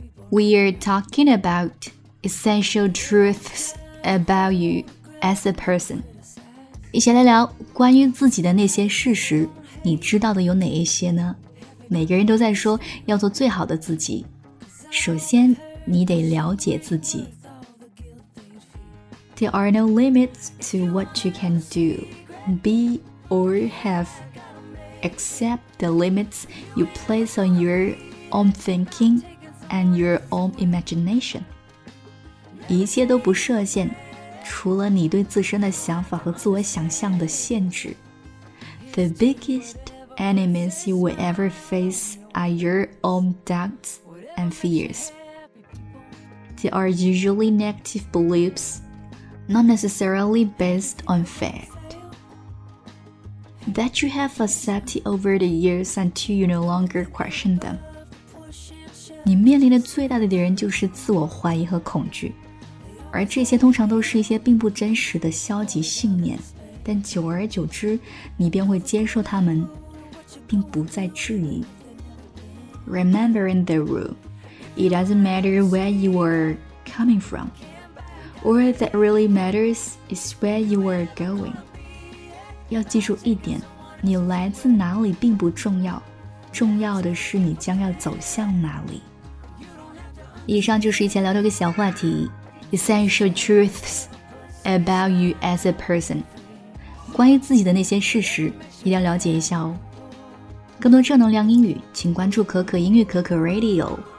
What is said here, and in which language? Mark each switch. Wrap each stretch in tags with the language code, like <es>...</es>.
<en>We are talking about essential truths about you as a person，</en> <zh>一起来聊关于自己的那些事实，你知道的有哪一些呢？每个人都在说要做最好的自己，首先你得了解自己。</zh> <en>There are no limits to what you can do, be or have, except the limits you place on your own thinking and your own imagination.</en> <zh>一切都不设限，除了你对自身的想法和自我想象的限制。</zh> <en>The biggest enemies you will ever face are your own doubts and fears. They are usually negative beliefs, not necessarily based on fact. That you have accepted over the years until you no longer question them.</en> <zh>你面临的最大的敌人就是自我怀疑和恐惧，而这些通常都是一些并不真实的消极信念，但久而久之，你便会接受他们，并不再质疑。</zh> <en>Remembering the rule. It doesn't matter where you are coming from. All that really matters is where you are going.</en> <zh>要记住一点，你来自哪里并不重要，重要的是你将要走向哪里。以上就是以前聊的一个小话题，</zh> <en>Essential truths about you as a person.</en> <zh>关于自己的那些事实，一定要了解一下哦。更多正能量英语，请关注可可英语可可 Radio。</zh>